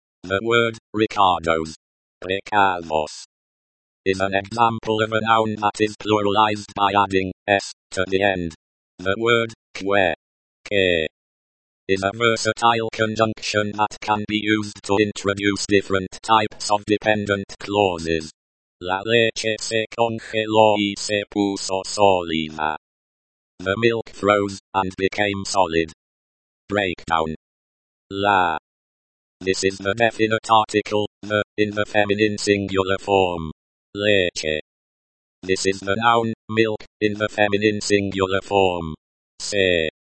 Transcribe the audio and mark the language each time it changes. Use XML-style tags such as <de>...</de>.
<en>The word, Ricardo's, Ricardos, is an example of a noun that is pluralized by adding s to the end. The word, que, que, is a versatile conjunction that can be used to introduce different types of dependent clauses.</en> <es>La leche se congeló y se puso sólida.</es> <en>The milk froze and became solid. Breakdown. La. This is the definite article, the, in the feminine singular form. Leche. This is the noun, milk, in the feminine singular form. Se.</en>